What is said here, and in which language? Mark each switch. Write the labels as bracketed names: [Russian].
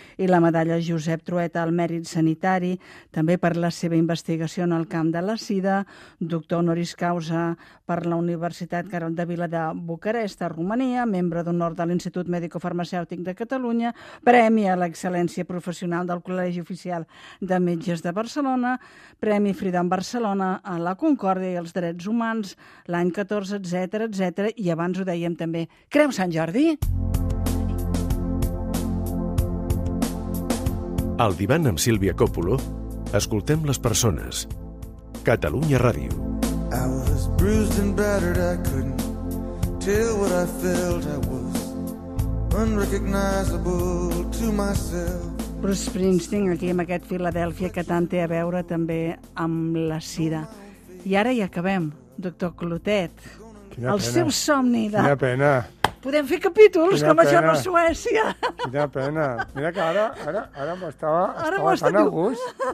[Catalan] i la medalla Josep Trueta al Mèrit Sanitari, també per la seva investigació en el camp de la sida, doctor honoris causa per la Universitat Carol de Vila de Bucarest, a Romania, membre d'honor de l'Institut Mèdico-Farmacèutic de Catalunya, Premi a l'Excel·lència Professional del Col·legi Oficial de Metges de Barcelona, Premi Frida en Barcelona, a la Concòrdia i els Drets Humans, l'any 14, etc, etc, i abans ho dèiem també, Creu Sant Jordi. Al divan amb Sílvia Coppolo, escoltem les persones. [English] Catalunya Ràdio. I was bruised and battered, I couldn't tell what I felt. I was unrecognizable to myself. [Catalan] Bruce Springsteen, aquí amb aquest Filadèlfia que tant té a veure també amb la sida. I ara hi acabem, doctor Clotet. Quina el pena. Seu somni de... Quina pena. Podem fer capítols, quina com això a Suècia. Quina pena. Mira que ara m'estava tan a gust.